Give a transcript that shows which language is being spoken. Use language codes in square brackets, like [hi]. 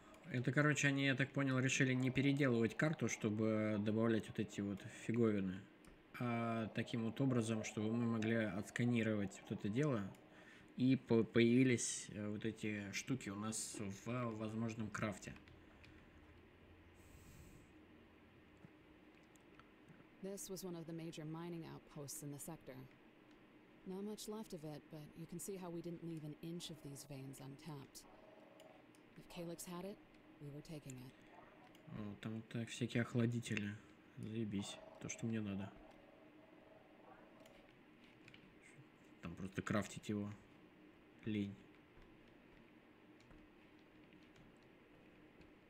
[ru] Это, короче, они, я так понял, решили не переделывать карту, чтобы добавлять вот эти вот фиговины, а таким вот образом, чтобы мы могли отсканировать вот это дело, и появились вот эти штуки у нас в возможном крафте. [en] This was one of the major mining outposts in the sector. Not much left of it, but you can see how we didn't leave an inch of these veins untapped. If Calyx had it, we were taking it. [ru] О, там вот так всякие охладители. Заебись. То, что мне надо. Там просто крафтить его. Лень.